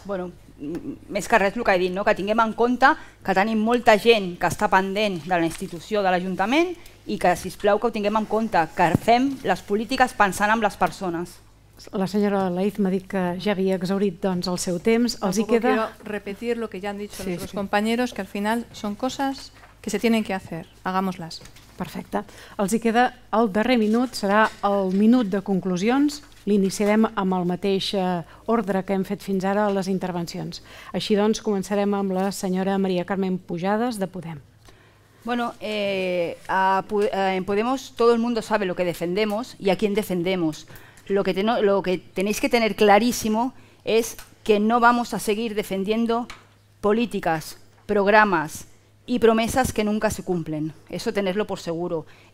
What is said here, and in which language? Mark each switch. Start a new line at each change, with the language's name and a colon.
Catalan: Bueno, més que res el que he dit, no? Que tinguem en compte que tenim molta gent que està pendent de la institució de l'Ajuntament i que, sisplau, que ho tinguem en compte, que fem les polítiques pensant en les persones. La senyora Laïz m'ha dit que ja havia exaurit doncs, el seu temps. Els hi queda...
Spanish: Quiero repetir lo que ya han dicho sí, los sí. compañeros, que al final son cosas que se tienen que hacer. Hagámoslas.
Catalan: Perfecte. Els hi queda el darrer minut, serà el minut de conclusions. L'iniciarem amb el mateix ordre que hem fet fins ara a les intervencions. Així doncs, començarem amb la senyora Maria Carmen Pujades, de Podem.
Spanish: Bueno, en Podemos todo el mundo sabe lo que defendemos y a quién defendemos. Lo que tenéis que tener clarísimo es que no vamos a seguir defendiendo políticas, programas, y promesas que nunca se cumplen, eso tenerlo por seguro.